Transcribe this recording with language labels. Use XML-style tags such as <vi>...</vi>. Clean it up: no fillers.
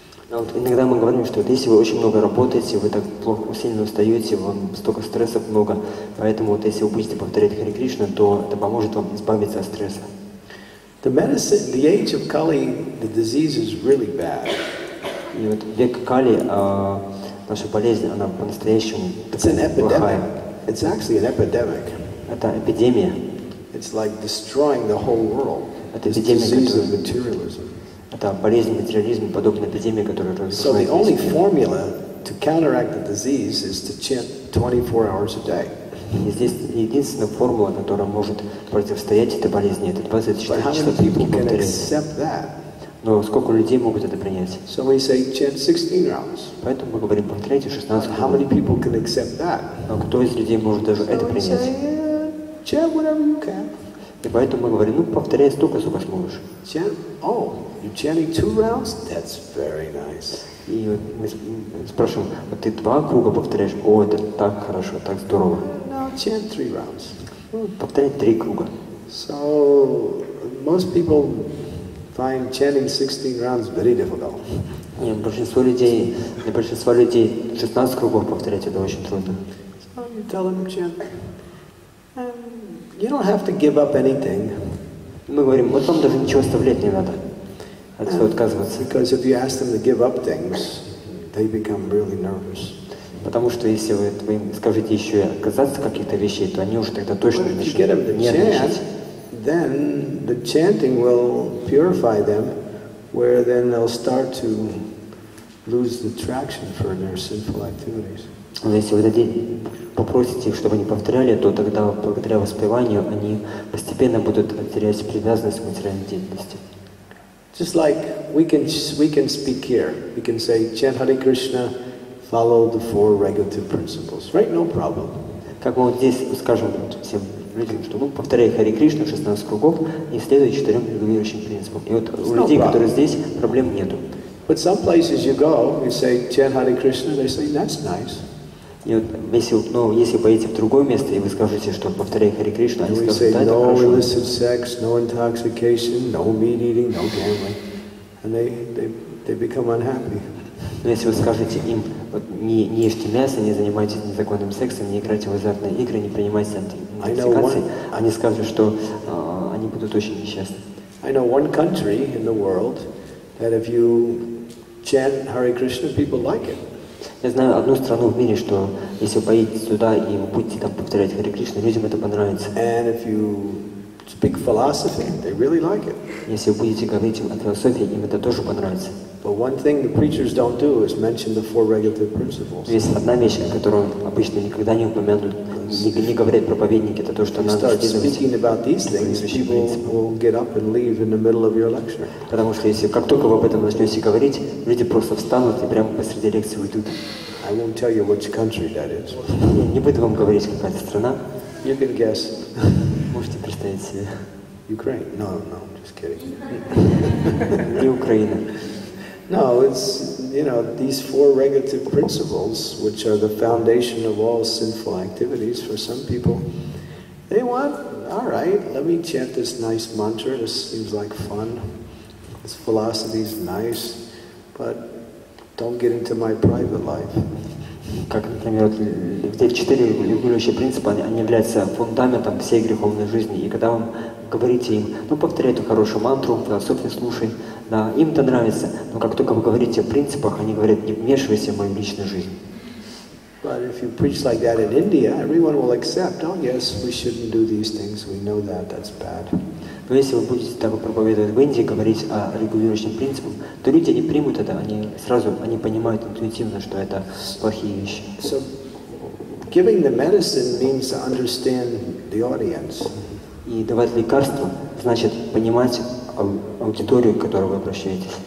<ru>А вот иногда мы говорим, что вот если вы очень много работаете, вы так плохо сильно устаете, вам столько стрессов много, поэтому вот если вы будете повторять Харе Кришна, то это поможет вам избавиться от стресса.</ru> <en>The medicine, the age of Kali, the disease is really bad.</en> <ru>И вот век Кали, наша болезнь, она по-настоящему плохая.</ru> <en>It's actually an epidemic.</en> <ru>Это эпидемия.</ru> <en>It's like destroying the whole world.</en> <ru>Это эпидемия,</ru> <en>this disease of materialism.</en> <ru>Это болезнь материализма, подобная эпидемии, которая разрушает.</ru> <en>So the only formula to counteract the disease is to chant 24 hours a day.</en> <ru>Здесь единственная формула, которая может противостоять этой болезни, это 24 часа в сутки.</ru> <en>But how many people can accept that?</en> <ru>Но сколько людей могут это принять?</ru> <en>So we say chant 16 rounds.</en> <ru>Поэтому мы говорим повторяйте 16.</ru> <en>How many people can accept that?</en> <ru>Но кто из людей может даже это принять?</ru> <en>So we say chant whatever you can.</en> <ru>И поэтому мы говорим, ну повторяй столько, сколько сможешь.</ru> <en>Chant, oh. You chanting two rounds? That's very nice.</en> <ru>И мы спрашиваем, а ты два круга повторяешь? О, это так хорошо, так здорово.</ru> <en>No, chant three rounds.</en> <ru>Повторяй три круга.</ru> <en>So, most people find chanting 16 rounds very difficult.</en> <ru>Для большинства людей 16 кругов повторять это очень трудно.</ru> <en>So, you tell them, chant. You don't have to give up anything.</en> <ru>Мы говорим, вот вам даже ничего оставлять не надо. От всего отказываться.</ru> <en>Because if you ask them to give up things, they become really nervous.</en> <ru>Потому что если вы им скажете еще и отказаться от каких-то вещей, то они уже тогда точно начнут нервничать.</ru> <en>But if you get them to chant, then the chanting will purify them, where then they'll start to lose the traction for their sinful activities.</en> <ru>Но если вы попросите их, чтобы они повторяли, то тогда благодаря воспеванию они постепенно будут терять привязанность к материальной деятельности.</ru> <en>Just like we can speak here, we can say chant Hare Krishna, follow the four regulative principles, right? No problem.</en> <ru>Как мы вот здесь скажем всем людям, что мы повторяем Харе Кришну 16 кругов и следуем четырем регулирующим принципам. И вот у людей, которые здесь, проблем нету.</ru> <en>But some places you go, you say chant Hare Krishna, they say that's nice.</en> <ru>И вот если поедете в другое место и вы скажете, что повторяй Харе Кришну, они скажут, да, это</ru> <en>no</en> <ru>хорошо.</ru> <en>No illicit sex, no intoxication, no meat eating, no gambling. And they become unhappy.</en> <ru>Но если вы скажете им, вот не ешьте мясо, не занимайтесь незаконным сексом, не играйте в азартные игры, не принимайте интоксикации, они скажут, что они будут очень несчастны.</ru> <en>I know one country in the world that if you chant Hare Krishna, people like it.</en> <ru>Я знаю одну страну в мире, что если вы поедете сюда и будете там повторять Харе Кришна, людям это понравится.</ru> <en>And if you speak philosophy, they really like it.</en> <ru>Если вы будете говорить о философии, им это тоже понравится.</ru> <en>But one thing the preachers don't do is mention the four regulative principles.</en> <ru>Есть одна вещь, которую обычно никогда не упомянут, не говорят проповедники, это то, что надо сделать.</ru> <en>Start speaking about these things, people will get up and leave in the middle of your lecture.</en> <ru>Потому что если как только вы об этом начнете говорить, люди просто встанут и прямо посреди лекции уйдут.</ru> <en>I won't tell you which country that is.</en> <ru>Не буду вам говорить, какая страна.</ru> <en>You can guess.</en> <ru>Можете представить себе.</ru> <en>Ukraine. No, I'm just kidding.</en> <ru>Не Украина.</ru> <en>No, it's, you know, these four regulative principles, which are the foundation of all sinful activities for some people, they want, all right, let me chant this nice mantra, this seems like fun, this philosophy is nice, but don't get into my private life.</en> <ru>Как, например, где четыре регулирующие принципа, они являются фундаментом всей греховной жизни, и когда вам говорите им, ну, повторяй эту хорошую мантру, философию слушай, да, им это нравится, но как только вы говорите о принципах, они говорят, не вмешивайся в мою личную жизнь.</ru> <en>But if you preach like that in India, everyone will accept, oh yes, we shouldn't do these things, we know that, that's bad.</en> <ru>Но если вы будете так проповедовать в Индии, говорить о регулирующих принципах, то люди не примут это, они сразу, они понимают интуитивно, что это плохие вещи.</ru> <en>So, giving the medicine means to understand the audience.</en> <ru>И давать лекарства значит понимать аудиторию, к которой вы обращаетесь.</ru>